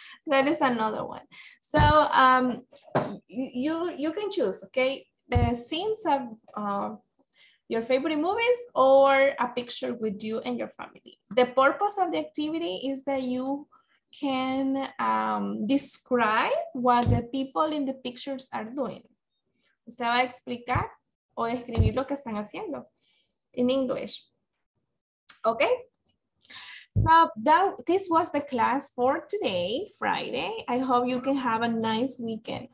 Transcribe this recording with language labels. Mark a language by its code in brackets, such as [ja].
[en] That is another one. So you can choose, okay? The scenes of your favorite movies or a picture with you and your family. The purpose of the activity is that you can describe what the people in the pictures are doing. [es] Usted va a explicar o describir lo que están haciendo [en] in English, [es] okay? [en] So this was the class for today, Friday. I hope you can have a nice weekend.